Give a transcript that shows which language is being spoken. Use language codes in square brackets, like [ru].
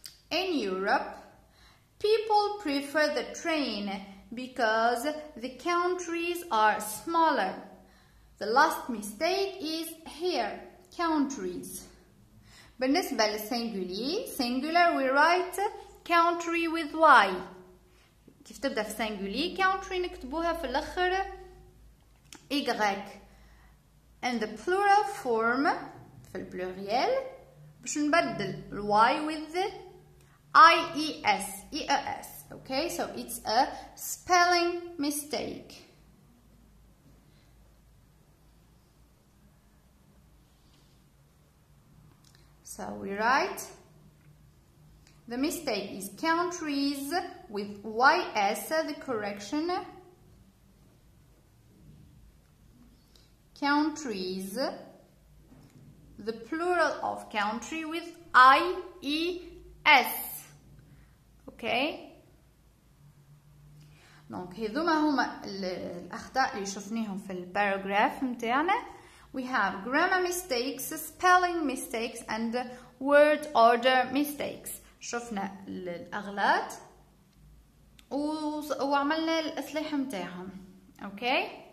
[en] In Europe, people prefer the train because the countries are smaller. The last mistake is here, countries. [ar] بالنسبة للسنجولي, [en] singular we write country with Y. [ar] كيف تبدأ في سنجولي, country نكتبوها في الأخر Y. [en] And the plural form [ar] في البلوريال باش نبدل [en] Y with the IES, IES. Okay, so it's a spelling mistake. So we write the mistake is countries with YS, the correction. Countries, the plural of country with IES. Okay. [ar] دونك هذوما هما الاخطاء اللي شفناهم في الباراجراف نتاعنا. [en] We have grammar mistakes, spelling mistakes and word order mistakes. [ar] شفنا الاغلاط وعملنا الاصلاح نتاعهم. Okay.